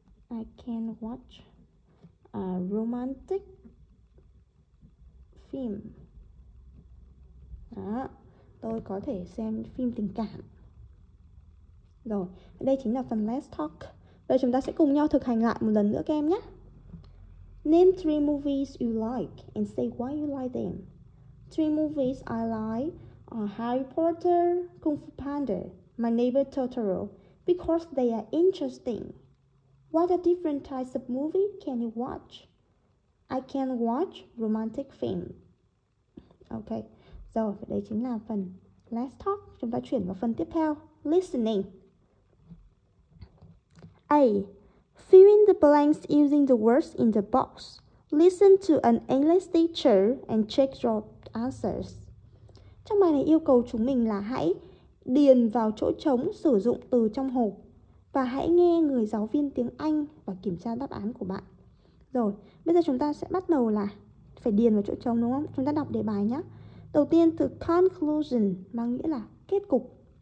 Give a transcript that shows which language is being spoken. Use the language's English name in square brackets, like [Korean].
[English] I can watch a romantic film. [Vietnamese] Đó, tôi có thể xem phim tình cảm. Rồi, đây chính là phần Let's Talk. Bây giờ chúng ta sẽ cùng nhau thực hành lại một lần nữa các em nhé. [English] Name three movies you like and say why you like them. Three movies I like are Harry Potter, Kung Fu Panda, My Neighbor Totoro, because they are interesting. What are different types of movie can you watch? I can watch romantic film. Okay, so [Vietnamese] đây chính là phần Let's Talk. Chúng ta chuyển vào phần tiếp theo. [English] Listening. A. Fill in the blanks using the words in the box. Listen to an English teacher and check your answers. [Vietnamese] Trong bài này yêu cầu chúng mình là hãy điền vào chỗ trống sử dụng từ trong hộp và hãy nghe người giáo viên tiếng Anh và kiểm tra đáp án của bạn. Rồi, bây giờ chúng ta sẽ bắt đầu là phải điền vào chỗ trống đúng không? Chúng ta đọc đề bài nhé. Đầu tiên từ conclusion mang nghĩa là kết cục.